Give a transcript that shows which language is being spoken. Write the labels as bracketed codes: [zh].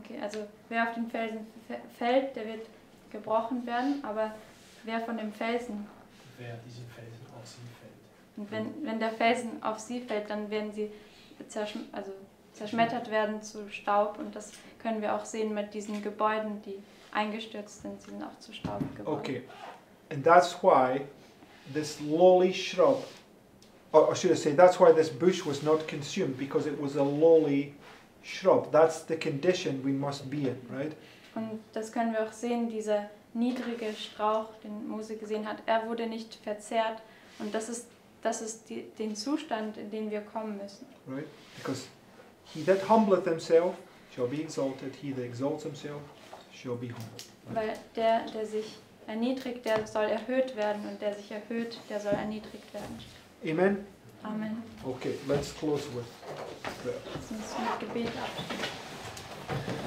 [de] Okay, also wer auf den Felsen fällt, der wird gebrochen werden, aber wer von dem Felsen. Wer diesen Felsen auf sie fällt. Und wenn der Felsen auf sie fällt, dann werden sie zerschmettert werden zu Staub. Und das können wir auch sehen mit diesen Gebäuden, die eingestürzt sind. Sie sind auch zu Staub geworden. Okay. [en] And that's why this lowly shrub, or should I say, that's why this bush was not consumed, because it was a lowly shrub. That's the condition we must be in, right? [de] Und das können wir auch sehen, dieser niedrige Strauch, den Mose gesehen hat, er wurde nicht verzehrt. Und das ist den Zustand, in den wir kommen müssen. [en] Right? Because he that humbleth himself shall be exalted, he that exalts himself shall be humbled. Right? [de] Weil der sich erniedrigt, der soll erhöht werden, und der sich erhöht, der soll erniedrigt werden. Amen? Amen. [en] Okay, let's close with prayer. [de] Lass uns mit Gebet abschließen.